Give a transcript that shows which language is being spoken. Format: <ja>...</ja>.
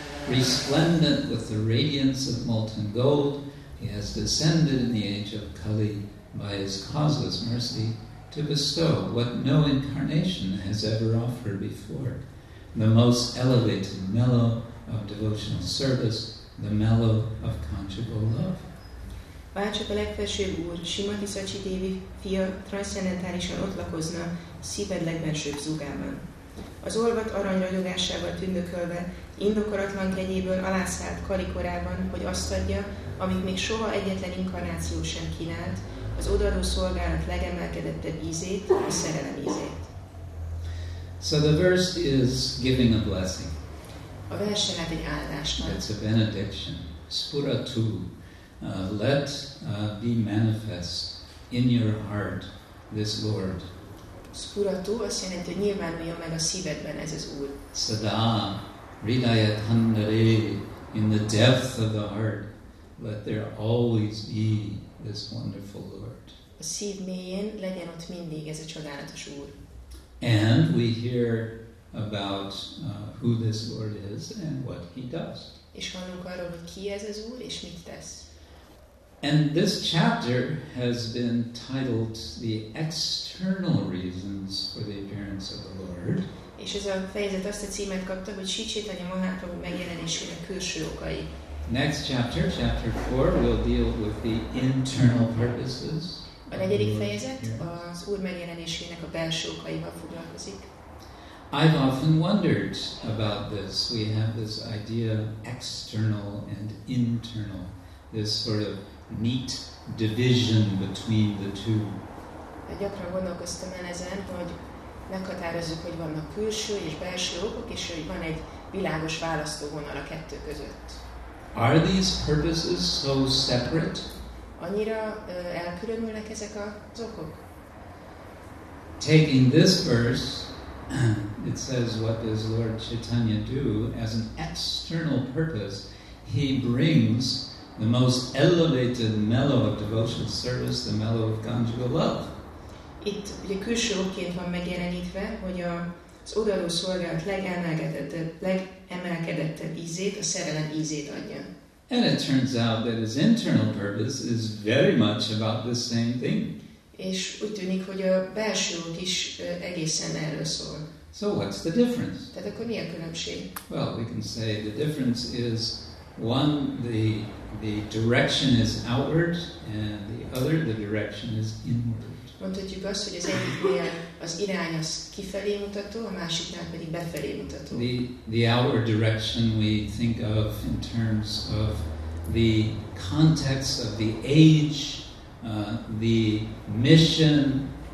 <en>Resplendent with the radiance of molten gold, he has descended in the age of Kali by his causeless mercy to bestow what no incarnation has ever offered before, the most elevated mellow of devotional service, the mellow of conjugal love.</en> <hu>Bárcsak a legfelsőbb úr, Simati Szacsi Dévi fia transzcendentálisan ott lakozna szíved legbensőbb zugában. Az olvat arany ragyogásával tündökölve, indokolatlan kegyéből alászállt Kali korában, hogy azt adja, amit még soha egyetlen inkarnáció sem kínált, az odaadó szolgálat legemelkedettebb ízét, a szerelem ízét.</hu> <en>So the verse is giving a blessing.</en> <hu>A vers tehát egy áldásnak.</hu> <en>It's a benediction. Spuratu. Let be manifest in your heart this Lord.</en> <hu>Spuratu azt jelenti, hogy nyilvánuljon meg a szívedben ez az Úr.</hu> <sa>Sada, ridayat handare,</sa> <en>in the depth of the heart, let there always be this wonderful Lord.</en> <hu>A szív mélyén legyen ott mindig ez a csodálatos Úr.</hu> <en>And we hear about who this Lord is and what he does.</en> <hu>És hallunk arról, hogy ki ez az Úr és mit tesz.</hu> <en>And this chapter has been titled The External Reasons for the Appearance of the Lord.</en> <hu>És ez a fejezet azt a címet kapta, hogy Sri Chaitanya Mahaprabhu megjelenésének külső okai.</hu> <en>Next chapter, chapter 4, will deal with the internal purposes.</en> <hu>A negyedik fejezet az Úr megjelenésének a belső okaival foglalkozik.</hu> <en>I've often wondered about this. We have this idea of external and internal. This sort of neat division between the two.</en> <hu>Gyakran gondolkoztam el ezen, hogy meghatározzuk, hogy vannak külső és belső okok, és hogy van egy világos választóvonal a kettő között.</hu> <en>Are these purposes so separate?</en> <hu>Annyira elkülönülnek ezek az okok?</hu> <en>Taking this verse, it says, what does Lord Chaitanya do as an external purpose? He brings the most elevated mellow of devotional service, the mellow of conjugal love.</en> <hu>Itt ugye külső okként van megjelenítve, hogy az odaadó szolgálat legemelkedettebb ízét, a szerelem ízét adja.</hu> <en>And it turns out that his internal purpose is very much about the same thing.</en> <hu>És úgy tűnik, hogy a belső ok is egészen erről szól.</hu> <en>So what's the difference?</en> <hu>Tehát akkor mi a különbség?</hu> <en>Well, we can say the difference is one, the direction is outward, and the other, the direction is inward.</en> <hu>Mondhatjuk azt, hogy az egyiknél az irány az kifelé mutató, a másiknál pedig befelé mutató.</hu> <en>The outward direction we think of in terms of the context of the age, the mission.</en>